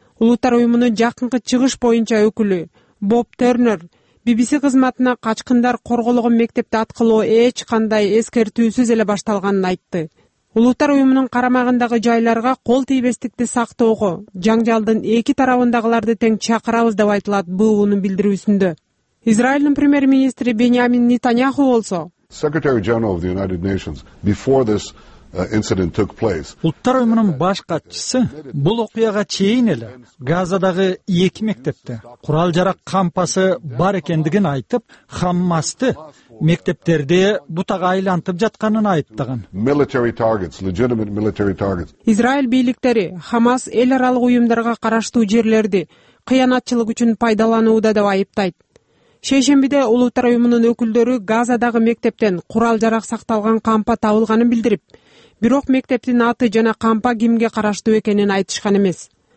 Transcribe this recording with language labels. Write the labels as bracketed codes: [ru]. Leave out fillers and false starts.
[ky] Улуттар уюмунун жакынкы чыгыш боюнча өкүлү Боб Тернер BBC кызматына качкындар корголгон мектепте аткылоо эч кандай эскертүүсүз эле башталганын айтты. Улуттар уюмунун карамагындагы жайларга кол тийбестикти сактоого жаңжалдын эки тарабындагыларды тең чакырабыз деп айтылат БУУнун билдирүүсүндө. Израилдин премьер-министри Бениамин Нетаньяху болсо [en] Secretary General of the United Nations before this incident took place. [ky] Улуттар уюмунун баш катчысы бул окуяга чейин эле Газадагы эки мектепте курал жарак кампасы бар экендигин айтып, Хаммасты мектептерди бутага айлантып жатканын айыптаган. [en] Military targets, legitimate military targets. [ky] Израиль бийликтери Хамас эл аралык уюмдарга караштуу жерлерди кыянатчылык үчүн пайдаланууда деп айыптайт. Шейшембиде Улуттар уюмунун өкүлдөрү Газадагы мектептен курал жарак сакталган кампа табылганын билдирип, бирок мектептин аты жана кампа кимге караштуу экенин айтышкан эмес.